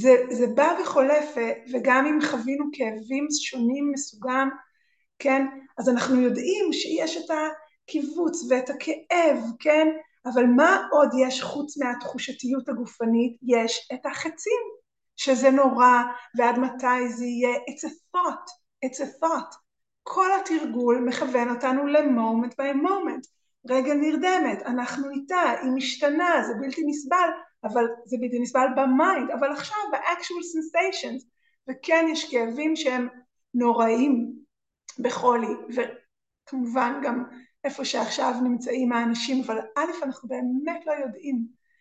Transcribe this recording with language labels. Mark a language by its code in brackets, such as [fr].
[he] זה בא וחולף, וגם אם חווינו כאבים שונים מסוגם, כן? אז אנחנו יודעים שיש את הקיבוץ ואת הכאב, כן? אבל מה עוד יש חוץ מהתחושתיות הגופנית? יש את החצים, שזה נורא, ועד מתי זה יהיה? [en] It's a thought, it's a thought. [he] כל התרגול מכוון אותנו למומנט [en] by moment. [he] רגע נרדמת, אנחנו איתה, היא משתנה, זה בלתי נסבל, אבל זה בלתי נסבל במיינד, אבל עכשיו, ב- [en] actual sensations, [he] וכן יש כאבים שהם נוראים בחולי, וכמובן גם איפה שעכשיו נמצאים האנשים, אבל א', אנחנו באמת לא יודעים.